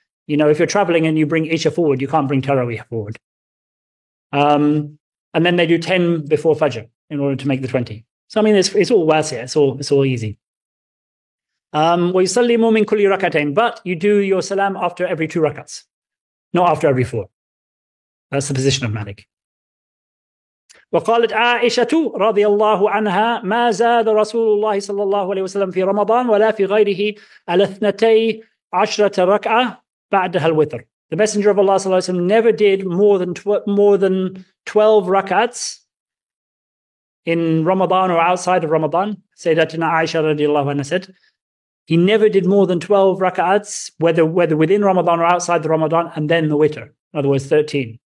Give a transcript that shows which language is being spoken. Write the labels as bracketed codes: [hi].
[en] You know, if you're traveling and you bring Isha forward, you can't bring Taraweeh forward. And then they do 10 before Fajr in order to make the 20. So, I mean, it's all wasi, it's all easy. [ar] وَيُسَلِّمُ مِنْ كُلِّ رَكَتَيْنِ. [en] But you do your salam after every 2 rakats, not after every 4. That's the position of Malik. [ar] وقالت عائشة رضي الله عنها ما زاد رسول الله صلى الله عليه وسلم في رمضان ولا في غيره على 12 ركعة بعدها الوتر. [en] The Messenger of Allah [ar] صلى الله عليه وسلم [en] never did more than 12 rakats in Ramadan or outside of Ramadan. Sayyidatina Aisha [ar] رضي الله عنها [en] said he never did more than 12 rakats, whether within Ramadan or outside the Ramadan, and then the witr, in other words 13.